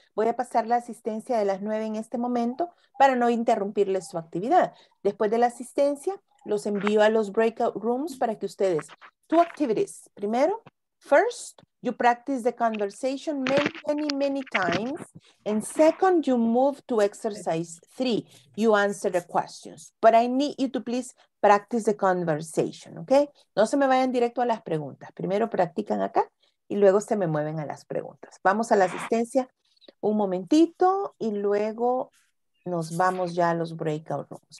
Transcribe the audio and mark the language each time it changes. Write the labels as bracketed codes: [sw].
[es] Voy a pasar la asistencia de las 9 en este momento para no interrumpirles su actividad. Después de la asistencia, los envío a los breakout rooms para que ustedes... [en] 2 activities. [es] Primero, [en] first, you practice the conversation many times. And second, you move to exercise 3. You answer the questions. But I need you to please practice the conversation, okay? [es] No se me vayan directo a las preguntas. Primero practican acá y luego se me mueven a las preguntas. Vamos a la asistencia un momentito y luego nos vamos ya a los breakout rooms.